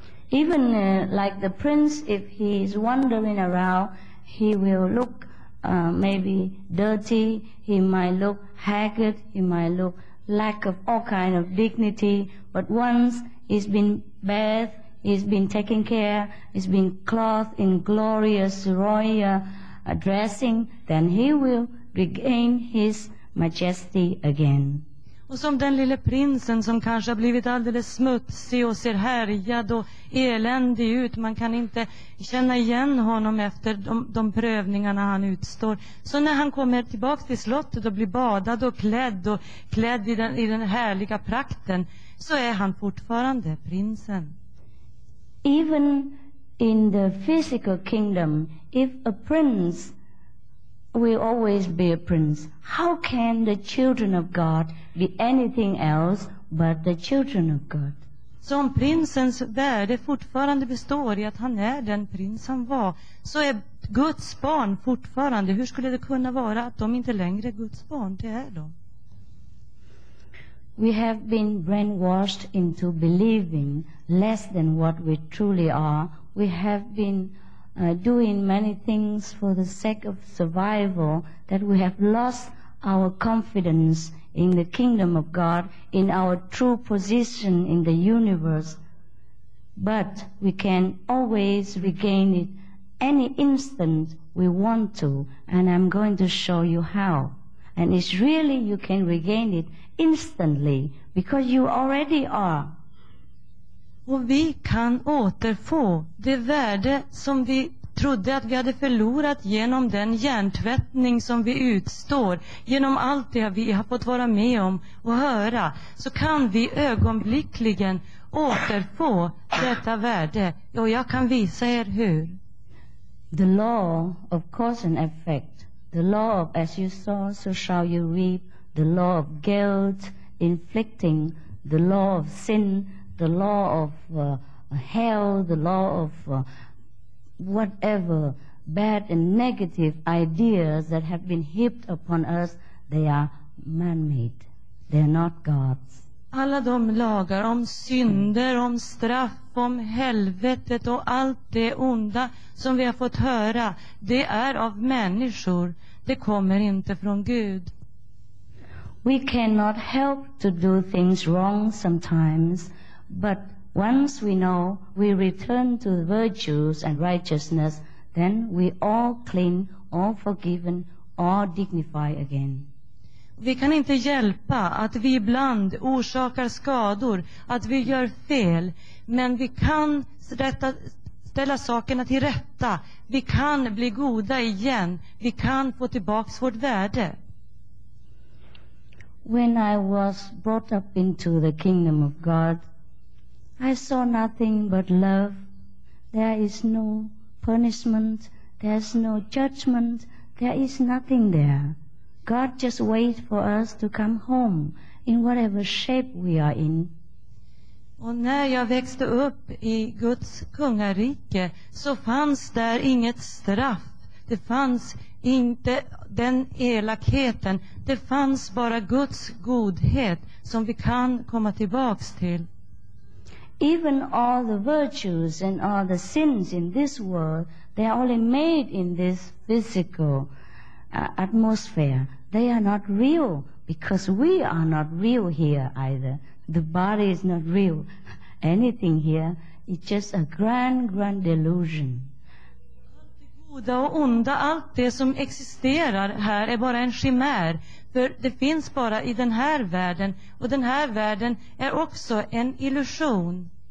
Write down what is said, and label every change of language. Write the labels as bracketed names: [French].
[English] Even like the prince, if he is wandering around, he will look maybe dirty, he might look haggard, he might look lack of all kind of dignity, but once he's been bathed, he's been taken care, he's been clothed in glorious royal dressing, then he will regain his majesty again. [Swedish] Och som den lille prinsen som kanske har blivit alldeles smutsig och ser härjad och eländig ut, man kan inte känna igen honom efter de prövningarna han utstår, så när han kommer tillbaka till slottet och blir badad och klädd i den härliga prakten, så är han fortfarande prinsen. [English] Even in the physical kingdom, if a prince will always be a prince, how can the children of God be anything else but the children of God? [Swedish] Så om prinsens värde fortfarande består i att han är den prins han var, så är Guds barn fortfarande. Hur skulle det kunna vara att de inte längre är Guds barn? Det är de. [English] We have been brainwashed into believing less than what we truly are. We have been doing many things for the sake of survival, that we have lost our confidence in the kingdom of God, in our true position in the universe. But we can always regain it any instant we want to, and I'm going to show you how. And it's really, you can regain it instantly, because you already are. [Swedish] Och vi kan återfå det värde som vi trodde att vi hade förlorat genom den hjärntvättning som vi utstår, genom allt det vi har fått vara med om och höra, så kan vi ögonblickligen återfå detta värde. Och jag kan visa er hur. [English] The law of cause and effect, the law of as you sow, so shall you reap, the law of guilt inflicting, the law of sin, the law of hell, the law of whatever bad and negative ideas that have been heaped upon us, they are man-made. They are not God's. [Swedish] Alla de lagar om synder, om straff, om helvetet och allt det onda som vi har fått höra, det är av människor. Det kommer inte från Gud. [English] We cannot help to do things wrong sometimes, but once we know we return to virtues and righteousness, then we all clean, all forgiven, all dignified again. [Swedish] Vi kan inte hjälpa att vi ibland orsakar skador, att vi gör fel, men vi kan ställa sakerna till rätta. Vi kan bli goda igen. Vi kan få tillbaka vårt värde. [English] When I was brought up into the kingdom of God, I saw nothing but love. There is no punishment, there's no judgment, there is nothing there. God just waits for us to come home in whatever shape we are in. [Swedish] Och när jag växte upp i Guds kungarike, så fanns där inget straff. Det fanns inte den elakheten. Det fanns bara Guds godhet som vi kan komma tillbaks till. [English] Even all the virtues and all the sins in this world, they are only made in this physical atmosphere. They are not real, because we are not real here either. The body is not real. Anything here, it's just a grand, grand delusion. [Swedish] Allt det goda och onda, allt det som existerar här är bara en chimär. För det finns bara i den här världen, och den här världen är också en illusion.